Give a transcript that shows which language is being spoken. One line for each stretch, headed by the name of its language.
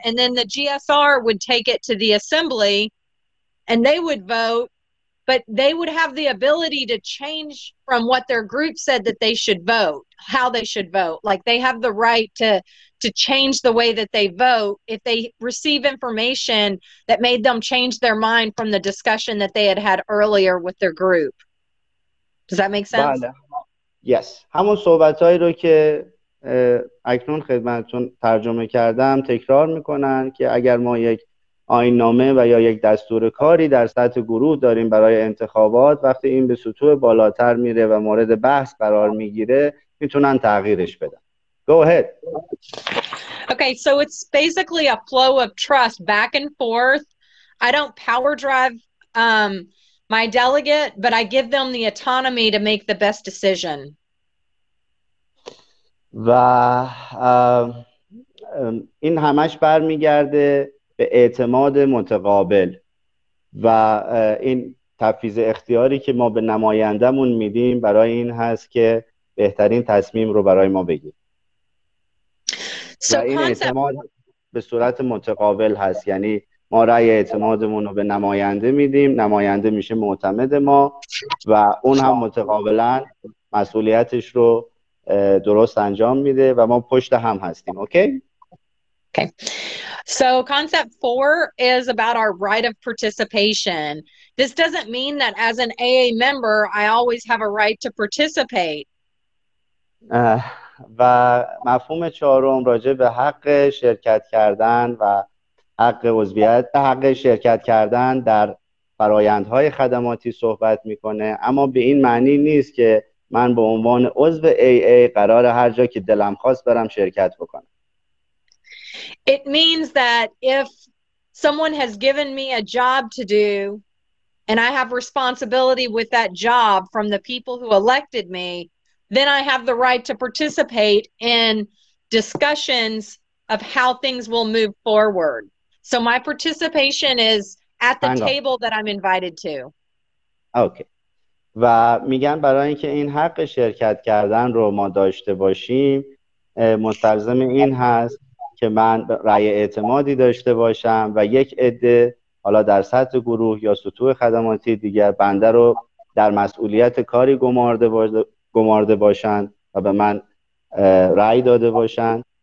English: And then the GSR would take it to the assembly and they would vote, but they would have the ability to change from what their group said that they should vote, how they should vote. Like they have the right to change the way that they vote if they receive information that made them change their mind from the discussion that they had had earlier with their group. Does that make sense? Yes.
Persian: همون صحبتهایی رو که اکنون خدمتتون ترجمه کردم تکرار میکنن که اگر ما یک آیین نامه و یا یک دستور کاری در سطح گروه داریم برای انتخابات، وقتی این به سطوح بالاتر میره و مورد بحث قرار میگیره میتونن تغییرش بدن.
English: Go ahead. Okay, so it's basically a flow of trust back and forth. I don't power drive my delegate, but I give them the autonomy to make the best decision.
Persian: و این همش برمیگرده به اعتماد متقابل و این تفویض اختیاری که ما به نمایندمون میدیم برای این هست که بهترین تصمیم رو برای ما بگیر.
English: So
Persian: این اعتماد به صورت متقابل هست، یعنی ما رأی اعتمادمون رو به نماینده میدیم، نماینده میشه معتمد ما و اون هم متقابلا مسئولیتش رو درست انجام میده و ما پشت هم هستیم. اوکی؟ اوکی.
English: So concept 4 is about our right of participation. This doesn't mean that as an AA member I always have a right to participate.
Persian: و مفهوم چهارم راجع به حق شرکت کردن و حق عضویت، حق شرکت کردن در فرایندهای خدماتی صحبت میکنه، اما به این معنی نیست که من به عنوان عضو AA قرار هر جا که دلم خواست برم شرکت بکنم.
English: It means that if someone has given me a job to do and I have responsibility with that job from the people who elected me, then I have the right to participate in discussions of how things will move forward. So my participation is at the table that I'm invited to. Okay.
Persian: و میگن برای اینکه این حق شرکت کردن رو ما داشته باشیم مستلزم این هست که من رأی اعتمادی داشته باشم و یک عده حالا در سطح گروه یا سطوح خدماتی دیگر بنده رو در مسئولیت کاری گمارده باشن و به من رأی داده باشن.